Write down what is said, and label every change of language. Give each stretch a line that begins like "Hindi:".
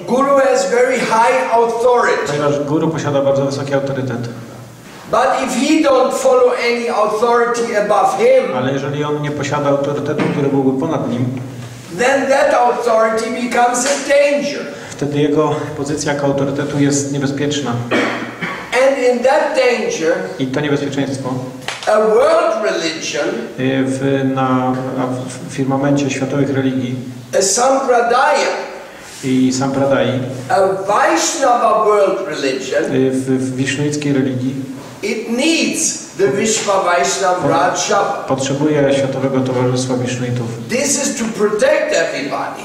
English: guru has very high authority.
Polish: Ponieważ guru posiada bardzo wysoki autorytet.
English: But if he don't follow any authority above him,
Polish: ale jeżeli on nie posiada autorytetu, który byłby ponad nim,
English: then that authority becomes a danger.
Polish: Wtedy jego pozycja jako autorytetu jest niebezpieczna.
English: And a in that danger,
Polish: i to niebezpieczeństwo,
English: a world religion,
Polish: w firmamencie światowych religii,
English: a sampradaya,
Polish: i sampradayi,
English: a Vaishnava world religion,
Polish: w wisznoickiej religii,
English: it needs the Vishva Vaishnava Raja.
Polish: Potrzebuje światowego towarzystwa Vishnuitów.
English: This is to protect everybody.